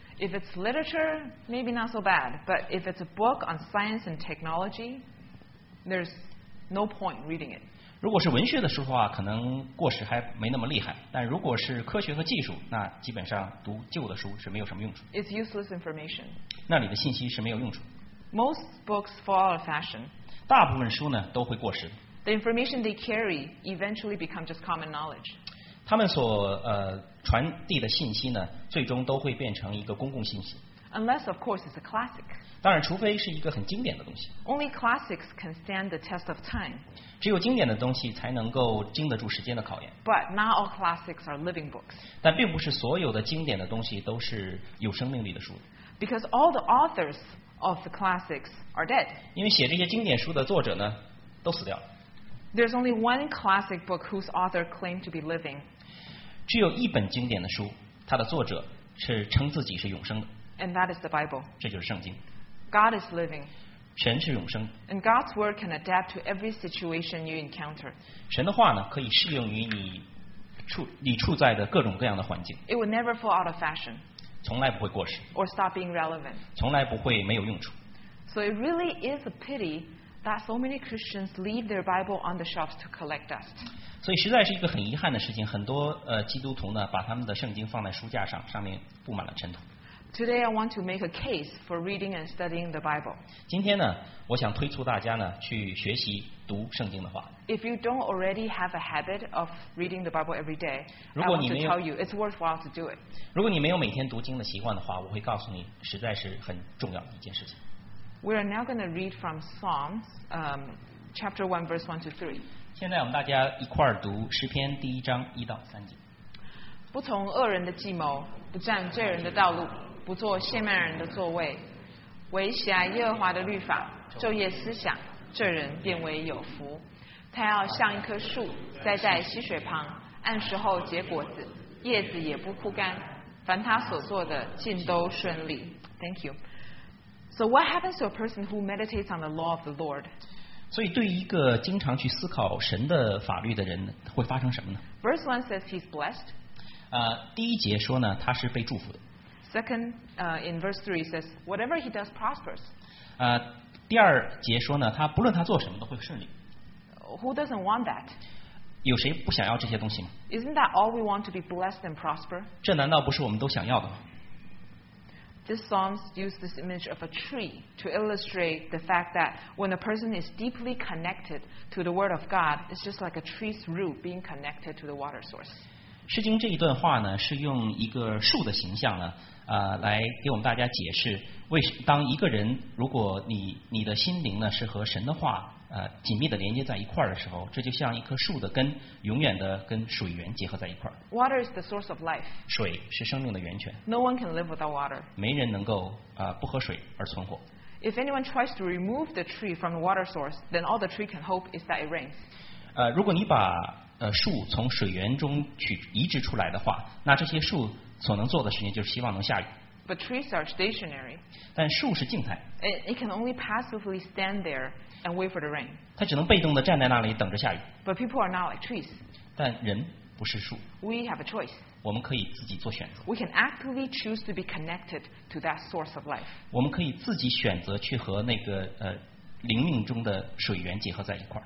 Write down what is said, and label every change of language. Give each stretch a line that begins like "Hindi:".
English: If it's literature, maybe not so bad, but if it's a book on science and technology, there's no point reading it.
Chinese: 如果是文学的书的话，可能过时还没那么厉害。但如果是科学和技术，那基本上读旧的书是没有什么用处。
English: It's useless information.
Chinese: 那里的信息是没有用处。
English: Most books fall out of fashion.
Chinese: 大部分书呢都会过时。
English: The information they carry eventually become just common knowledge.
Chinese: 他们所传递的信息呢，最终都会变成一个公共信息。
English: Unless, of course, it's a classic.
Chinese: 当然，除非是一个很经典的东西。
English: Only classics can stand the test of time.
Chinese: 只有经典的东西才能够经得住时间的考验。
English: But not all classics are living books.
Chinese: 但并不是所有的经典的东西都是有生命力的书。
English: Because all the authors of the classics are dead.
Chinese: 因为写这些经典书的作者呢，都死掉了。
English: There's only one classic book whose author claimed to be living.
Chinese: 只有一本经典的书，它的作者是称自己是永生的。
English: And that is the Bible.
Chinese: 这就是圣经。
English: God is living.
Chinese: 神是永生。
English: And God's word can adapt to every situation you encounter.
Chinese: 神的话呢，可以适用于你处在的各种各样的环境。
English: It will never fall out of fashion.
Chinese: 从来不会过时。
English: Or stop being relevant.
Chinese: 从来不会没有用处。
English: So it really is a pity that so many Christians leave their Bible on the shelves to collect dust.
Chinese: 所以实在是一个很遗憾的事情，很多基督徒呢，把他们的圣经放在书架上，上面布满了尘土。
English: Today I want to make a case for reading and studying the Bible.
Chinese: 今天呢，我想推出大家呢去学习读圣经的话。
English: If you don't already have a habit of reading the Bible every day, I want to tell you it's worthwhile to do it.
Chinese: 如果你没有每天读经的习惯的话，我会告诉你，实在是很重要的一件事情。
English: We are now going to read from Psalms, chapter 1, verse 1 to 3.
Chinese: 现在我们大家一块儿读诗篇第一章一到三节。不从恶人的计谋，不占罪人的道路。不做亵慢人的座位，唯喜爱耶和华的律法，昼夜思想，这人便为有福。他要像一棵树栽在溪水旁，按时候结果子，叶子也不枯干，凡他所做的尽都顺利。
English: Thank you. So what happens to a person who meditates on the law of the Lord?
Chinese: 所以对于一个经常去思考神的法律的人会发生什么呢？
English: Verse 1 says he's blessed.
Chinese: 第一节说呢，他是被祝福的。
English: Second, in verse 3 says, whatever he does prospers.
Chinese: 第二节说呢，他不论他做什么都会顺利。
English: Who doesn't want that?
Chinese: 有谁不想要这些东西吗？
English: Isn't that all we want to be blessed and prosper?
Chinese: 这难道不是我们都想要的吗？
English: This psalm uses this image of a tree to illustrate the fact that when a person is deeply connected to the word of God, it's just like a tree's root being connected to the water source.
Chinese: 诗经这一段话呢，是用一个树的形象呢，来给我们大家解释为什么当一个人如果你的心灵呢是和神的话紧密的连接在一块儿的时候，这就像一棵树的根永远的跟水源结合在一块儿。
English: Water is the source of life.
Chinese: 水是生命的源泉。
English: No one can live without water.
Chinese: 没人能够不喝水而存活。
English: If anyone tries to remove the tree from the water source, then all the tree can hope is that it rains.
Chinese: 如果你把树从水源中移植出来的话，那这些树所能做的事情就是希望能下雨。
English: But trees are stationary.
Chinese: 但树是静态。
English: It can only passively stand there and wait for the rain.
Chinese: 它只能被动地站在那里等着下雨。
English: But people are not like trees.
Chinese: 但人不是树。
English: We have a choice.
Chinese: 我们可以自己做选择。
English: We can actively choose to be connected to that source of life.
Chinese: 我们可以自己选择去和那个灵命中的水源结合在一块。